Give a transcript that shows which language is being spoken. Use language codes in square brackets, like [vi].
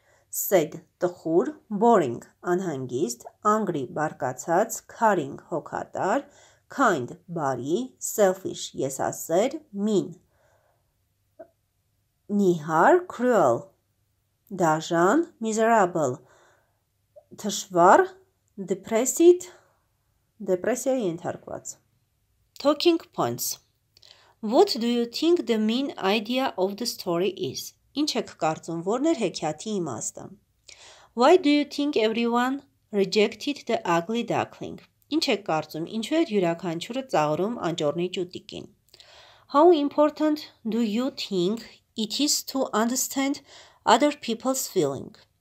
[en] sad, տխուր, boring, անհանգիստ, angry, բարկացած, caring, հոգատար, kind, բարի, selfish, եսասեր, mean, նիհար, cruel, դաժան, miserable, թշվար, depressed, դեպրեսիայի ենթարկված։ Talking points. What do you think the main idea of the story is? [hy] Ինչ եք կարծում, որն էր հեքիաթի իմաստը։ [en] Why do you think everyone rejected the ugly duckling? [hy] Ինչ եք կարծում, ինչու էր յուրաքանչյուրը ծաղրում անճոռնի ճուտիկին։ [en] How important do you think it is to understand other people's feeling?